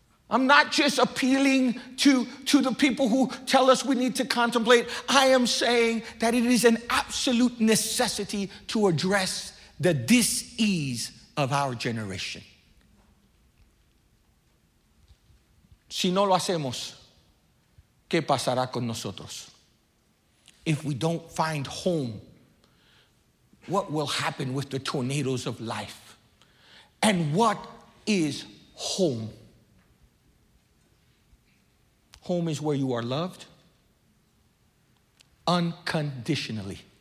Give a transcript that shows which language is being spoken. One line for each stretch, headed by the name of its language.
English: I'm not just appealing to the people who tell us we need to contemplate. I am saying that it is an absolute necessity to address the dis-ease of our generation.
Spanish: Si no lo hacemos, ¿qué pasará con nosotros?
English: If we don't find home, what will happen with the tornadoes of life? And what is home? Home is where you are loved unconditionally.